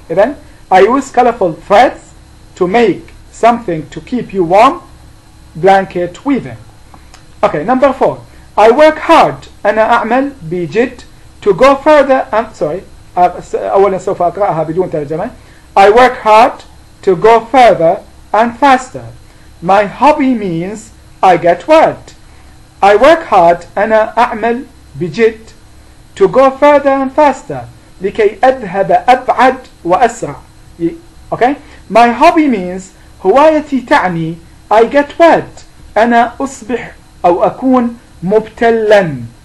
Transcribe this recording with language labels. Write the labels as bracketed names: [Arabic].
[English] إذن I use colorful threads to make something to keep you warm، blanket weaving. Okay. Number four. I work hard، [Arabic] أنا أعمل بجد، [English] to go further. [Arabic] أولا سوف أقرأها بدون ترجمة. [English] I work hard to go further and faster. My hobby means I get wet. I work hard، [Arabic] أنا أعمل بجد، [English] to go further and faster، [Arabic] لكي أذهب أبعد وأسرع. [English] Okay. My hobby means، [Arabic] هوايتي تعني، [English] I get wet، [Arabic] أنا أصبح أو أكون مبتلا.